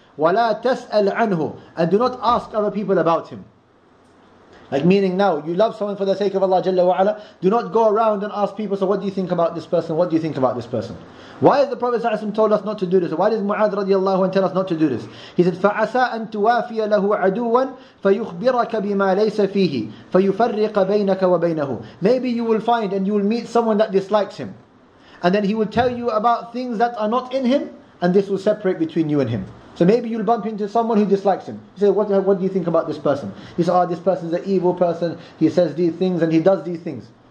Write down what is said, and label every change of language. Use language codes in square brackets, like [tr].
[ar] وَلَا تَسْأَلْ عَنْهُ. [en] And do not ask other people about him. Like meaning now, you love someone for the sake of Allah Jalla wa'ala, do not go around and ask people, so what do you think about this person? What do you think about this person? Why has the Prophet Sallallahu Alaihi Wasallam told us not to do this? Why does Mu'adh radiallahu anhu tell us not to do this? He said, [ar] فَعَسَىٰ أَن تُوَافِيَ لَهُ عَدُوًا فَيُخْبِرَكَ بِمَا لَيْسَ فِيهِ فَيُفَرِّقَ بَيْنَكَ وَبَيْنَهُ. [en] Maybe you will find and you will meet someone that dislikes him. And then he will tell you about things that are not in him, and this will separate between you and him. So maybe you'll bump into someone who dislikes him. You say, what do you think about this person? He says, this person's an evil person. He says these things and he does these things.